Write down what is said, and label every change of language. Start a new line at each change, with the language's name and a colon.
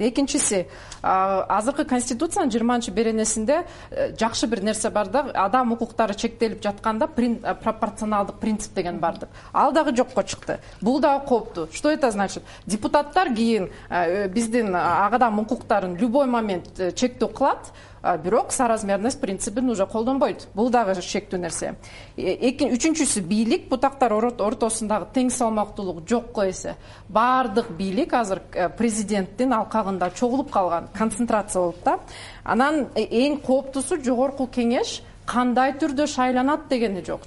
Kyrgyz: Экинчиси, азыркы конституциянын 20-чү беренесинде жакшы бир нерсе бар да, адам укуктары чектелип жатканда пропорционалдык принцип деген бар деп. Ал дагы жокко чыкты. Бул дагы кооптуу.
Russian: Что это значит?
Kyrgyz: Депутаттар кийин биздин адам укуктарын
Russian: любой момент
Kyrgyz: чектөө кылат. бирок соразмерность принципин уже колдонбойт. Бул дагы шектүү нерсе. Үчүнчүсү бийлик бутактар ортосундагы тең салмактуулук жокко эсе. Бардык бийлик азыр президенттин алкагында чогулуп калган концентрация болуп да. Анан эң кооптуусу жогорку кеңеш кандай түрдө шайланат дегени жок.